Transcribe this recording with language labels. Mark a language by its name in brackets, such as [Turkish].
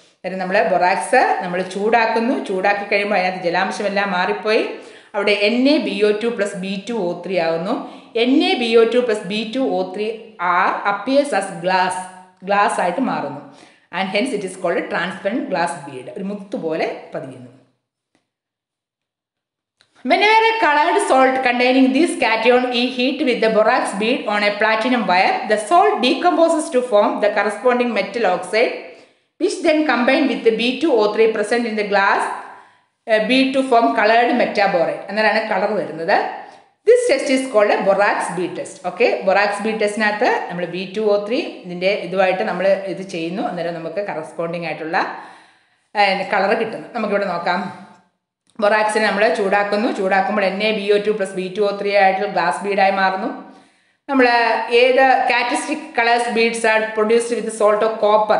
[Malayalam] അതായത് നമ്മൾ ബൊറാക്സ് നമ്മൾ ചൂടാക്കുന്നു. ചൂടാക്കി കഴിയുമ്പോൾ അതിനകത്ത് ജലാംശമെല്ലാം മാറിപ്പോയി അവിടെ N A B O two plus B to O three ആകുന്നു. [English] N A B O two plus B two O three are appears as glass, [Malayalam] glass ആയിട്ട് മാറുന്നു. [English] And hence it is called transparent glass bead. [Malayalam] ഒരു മുത്ത് പോലെ പതിയുന്നു. [English] Whenever a colored salt containing this cation is heated with the borax bead on a platinum wire, the salt decomposes to form the corresponding metal oxide, which then combined with the B2O3 present in the glass bead to form colored metaborate. [Malayalam] അന്നേരാണ് colour വരുന്നത്. [English] This test is called a borax bead test. [Malayalam] Okay, borax bead testനകത്ത് നമ്മൾ B2O3 ഇതിൻ്റെ ഇതുമായിട്ട് നമ്മൾ ഇത് ചെയ്യുന്നു. അന്നേരം നമുക്ക് corresponding ആയിട്ടുള്ള കളർ കിട്ടുന്നു. നമുക്കിവിടെ നോക്കാം. ബൊറാക്സിനെ നമ്മൾ ചൂടാക്കുന്നു. ചൂടാക്കുമ്പോൾ N A B O two plus B to O three ആയിട്ടുള്ള ഗ്ലാസ് ബീഡായി മാറുന്നു. നമ്മൾ ഏത് [English] Characteristic colours beads are produced with salt of copper.